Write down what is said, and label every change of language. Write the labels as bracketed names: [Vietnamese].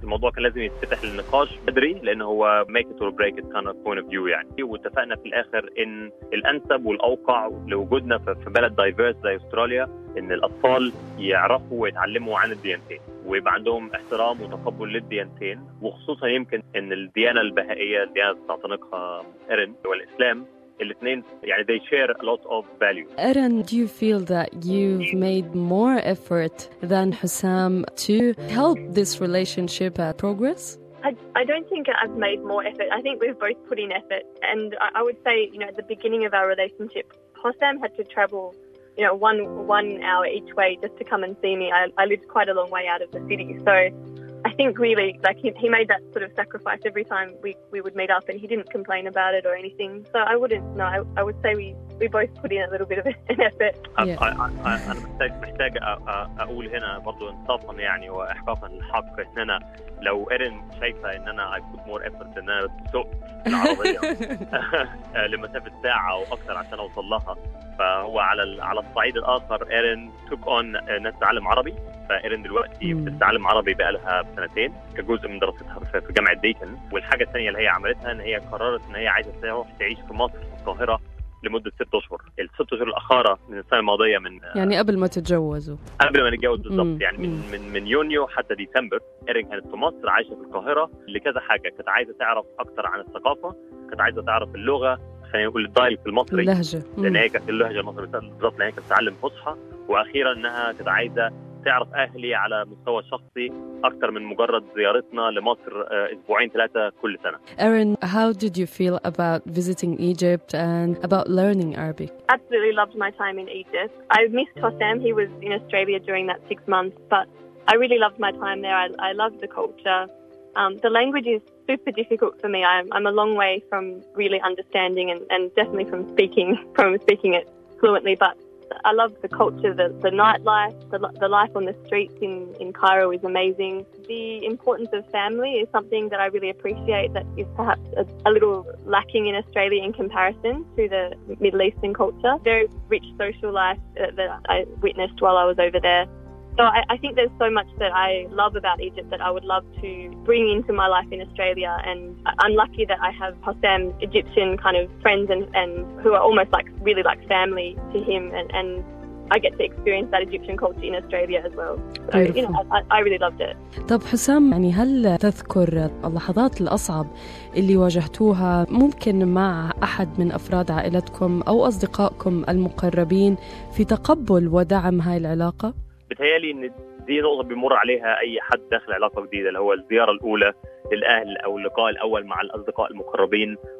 [Arabic] الموضوع كان لازم يتفتح للنقاش بدري لأنه هو [English] make it or break it kind of point of view [Arabic] يعني, واتفقنا في الآخر إن الأنسب والأوقع لوجودنا في بلد diverse زي أستراليا إن الأطفال يعرفوا ويتعلموا عن الديانتين ويبقى عندهم احترام وتقبل للديانتين, وخصوصا يمكن إن الديانة البهائية الديانة تعتنقها إيرن والإسلام الاثنين يعني [English] they share a lot of value. Aaron, do you feel that you've made more effort than Hussam to help this relationship progress? I don't think I've made more effort. I think we've both put in effort, and I would say, you know, at the beginning of our relationship, Hussam had to travel, you know, one hour each way just to come and see me. I lived quite a long way out of the city, so I think really, like, he made that sort of sacrifice every time we would meet up, and he didn't complain about it or anything. So I wouldn't know. I would say we both put in a little bit of an effort. [Arabic] أنا محتاج أقول هنا برضو انصافا يعني وإحقاقا الحق إن أنا لو إيرن شايفة إن أنا [English] I put more effort than [Arabic] أنا سوق العربية لمسافة ساعة أو أكثر عشان أوصل لها, فهو على الصعيد الآخر إيرن [English] took on [Arabic] ناس تعلم عربي. فإيرن دلوقتي بتتعلم عربي بقالها سنتين كجزء من دراستها في جامعة دايتن, والحاجة الثانية اللي هي عملتها إن هي قررت إن هي عايزة تعيش في مصر في القاهرة لمدة 6 أشهر, الـ6 أشهر الأخيرة من السنة الماضية من يعني قبل ما تتجوزوا قبل ما نتجوز بالضبط يعني من يونيو حتى ديسمبر إيرن كانت في مصر عايشة في القاهرة لكذا حاجة, كانت عايزة تعرف أكتر عن الثقافة, كانت عايزة تعرف اللغة, خلينا نقول الدايلكت المصري اللهجة لأن هي كانت اللهجة المصرية بالضبط, لأن هي كانت تتعلم فصحى, وأخيرا إنها كانت عايزة تعرف أهلي على مستوى شخصي أكثر من مجرد زيارتنا لمصر 2-3 أسبوع كل سنة. [English] Aaron, how did you feel about visiting Egypt and about learning Arabic? Absolutely loved my time in Egypt. I missed Hossam, he was in Australia during that 6 months, but I really loved my time there. I loved the culture. The language is super difficult for me. I'm a long way from really understanding and definitely from speaking it fluently, but I love the culture, the nightlife, the life on the streets in Cairo is amazing. The importance of family is something that I really appreciate that is perhaps a little lacking in Australia in comparison to the Middle Eastern culture. Very rich social life that I witnessed while I was over there. So I think there's so much that I love about Egypt that I would love to bring into my life in Australia. And I'm lucky that I have Hossam, Egyptian kind of friends and who are almost like really like family to him. And I get to experience that Egyptian culture in Australia as well. So, you know, I really loved it. [Arabic] طب حسام, يعني هل تذكر اللحظات الأصعب اللي واجهتوها ممكن مع أحد من أفراد عائلتكم أو أصدقائكم المقربين في تقبل ودعم هاي العلاقة؟ بتهيالي ان دي نقطه بيمر عليها اي حد داخل علاقه جديده اللي هو الزياره الاولى للاهل او اللقاء الاول مع الاصدقاء المقربين,